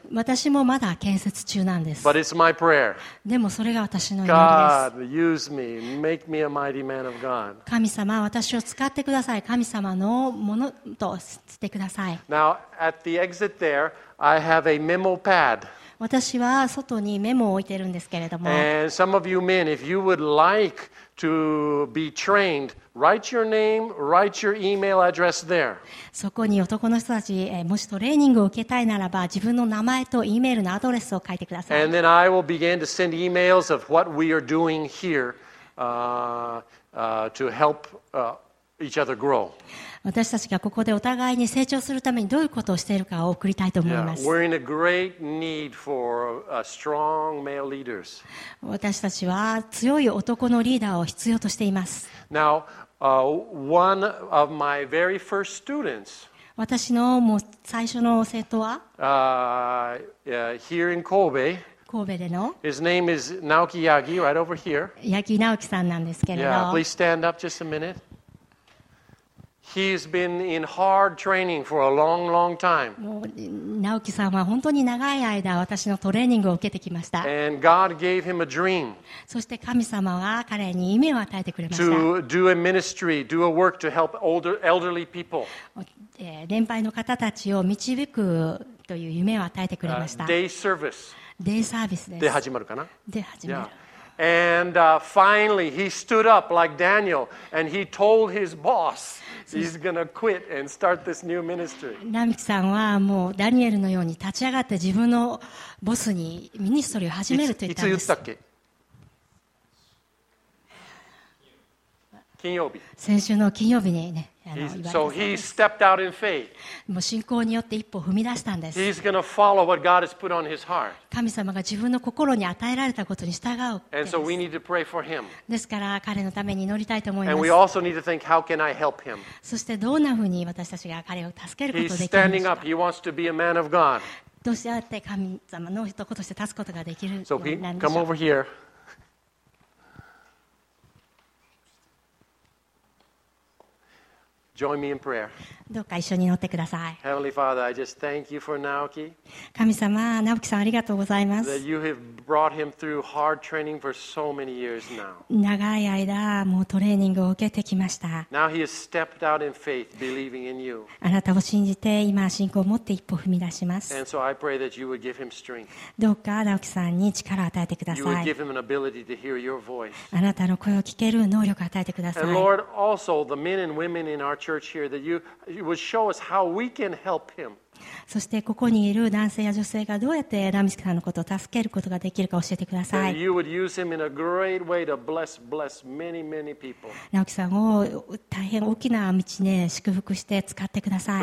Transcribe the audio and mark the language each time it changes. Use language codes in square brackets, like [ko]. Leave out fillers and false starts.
[ja] 私もまだ建設中なんです。 [en] But it's my prayer. [ja] でもそれが私の祈りです。 [en] God, use me. Make me a mighty man of God. [ja] 神様、私を使ってください。神様のものとしてください。 [en] Now, at the exit there, I have a memo pad. [ja] 私は外にメモを置いてるんですけれども。 [en] And some of you men, if you would like to be trained,Write your name, write your email address there. [ja] そこに男の人たち、もしトレーニングを受けたいならば、自分の名前と E メールのアドレスを書いてください。 [en] And then I will begin to send emails of what we are doing here, to help, each other grow. [ja] 私たちがここでお互いに成長するためにどういうことをしているかを送りたいと思います。 [en] Yeah, we're in a great need for strong male leaders. [ja] 私たちは強い男のリーダーを必要としています。 [en] Now, one of my very first students, [ja] 私のもう最初の生徒は、 [en] here in Kobe, [ja] 神戸での、 [en] his name is Naoki Yagi, right over here. [ja] Yagi Naoki さんなんですけれど、 [en] yeah, please stand up just a minute. He's been in hard training for a long, long time. [ja] もう直樹さんは本当に長い間私のトレーニングを受けてきました。 [en] And God gave him a dream. [ja] そして神様は彼に夢を与えてくれました。 [en] To do a ministry, do a work to help older, elderly people. [ja] 年配の方たちを導くという夢を与えてくれました。 [en] Day service. [ja] Day service です。で始まるかな？で始める。 [en] And finally, he stood up like Daniel, and he told his boss he's gonna quit and start this new ministry. [ja] ナミキさんはもうダニエルのように立ち上がって自分のボスにミニストリーを始めると言ったんです。いつ言ったっけ？金曜日。先週の金曜日にね。 [en] So he stepped out in faith. [ja] もう信仰によって一歩踏み出したんです。 [en] He's going to follow what God has put on his heart. [ja] 神様が自分の心に与えられたことに従う。 [en] And so we need to pray for him. [ja] ですから彼のために祈りたいと思います。 [en] And we also need to think, how can I help him? [ja] そしてどんなふうに私たちが彼を助けることができるか。 [en] He's standing up. He wants to be a man of God. [ja] どうしてあって神様の人として立つことができるようになるんでしょう。 [en] So come over here. Join me in prayer. [ja] どうか一緒に祈ってください。 [en] Heavenly Father, I just thank you for Naoki. [ja] 神様、直樹さんありがとうございます。 [en] That you have brought him through hard training for so many years now. [ja] 長い間もうトレーニングを受けてきました。 [en] Now he has stepped out in faith, believing in you. [ja] あなたを信じて今信仰を持って一歩踏み出します。 [en] And so I pray that you would give him strength. [ja] どうか直樹さんに力を与えてください。 [en] You would give him an ability to hear your voice. [ja] あなたの声を聞ける能力を与えてください。 [en] And Lord, also the men and women in our church here that you would show us how we can help him. [ja] そしてここにいる男性や女性がどうやってナミキさんのことを助けることができるか教えてください。 [en] And you would use him in a great way to bless many, many people. [ja] ナミキさんを大変大きな道に祝福して使ってください。